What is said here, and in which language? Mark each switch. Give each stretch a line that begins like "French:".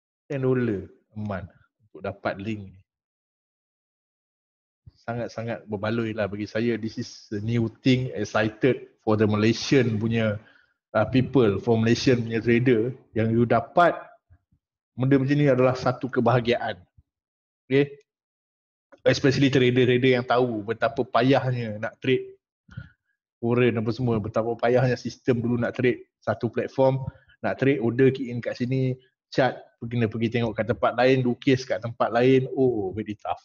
Malay: $10
English: a month
Malay: untuk dapat link ni. Sangat-sangat berbaloi lah bagi saya.
English: This is a new thing, excited for the Malaysian
Malay: punya
English: people, for Malaysian punya trader.
Malay: Yang you dapat benda macam ni adalah satu kebahagiaan. Okay. Especially trader-trader yang tahu betapa payahnya nak trade foreign apa semua, betapa payahnya sistem dulu nak trade satu platform, nak trade order key in kat sini, chat kena pergi tengok kat tempat lain, lukis kat tempat lain,
English: oh very tough.